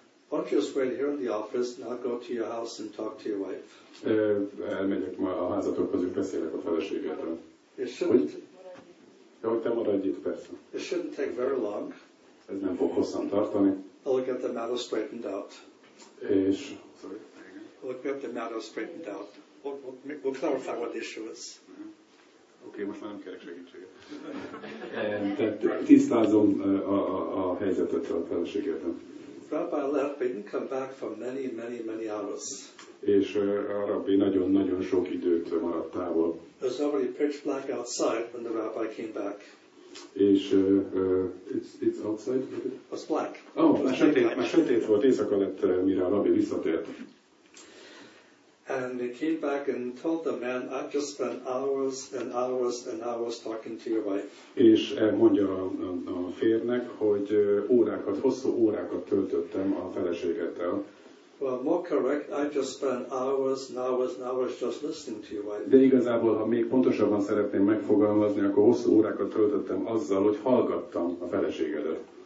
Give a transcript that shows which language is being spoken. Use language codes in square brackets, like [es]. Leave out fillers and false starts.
[en] Don't just wait here in the office, now go to your house and talk to your wife. [hu] Elmegyek ma a házatokhoz, hogy beszélek a feleségedről. Hogy? Jó, te maradj itt, persze. [en] It shouldn't take very long. [hu] Ez nem fog hosszan tartani. [en] I'll get the matter straightened out. [hu] És... [en] We'll get the matter straightened out. We'll clarify what the issue is. [hu] Okay, most már nem kérek segítséget. Tisztázom a helyzetet a feleségedről. [en] Rabbi left, but he didn't come back for many, many, many hours. [hu] És a rabbi nagyon-nagyon sok időt maradt távol. [en] It was already pitch black outside when the rabbi came back. És it's outside? It was black. [hu] Oh, már sötét volt, éjszaka lett, mire a rabbi visszatért. [en] And he came back and told the man, I've just spent hours and hours and hours talking to your wife. [hu] És mondja a férnek, hogy órákat, hosszú órákat töltöttem a feleségettel. [en] Well, more correct, I just spent hours and hours and hours just listening to your wife. [hu] De igazából, ha még pontosabban szeretném megfogalmazni, akkor hosszú órákat töltöttem azzal, hogy hallgattam a feleségedet.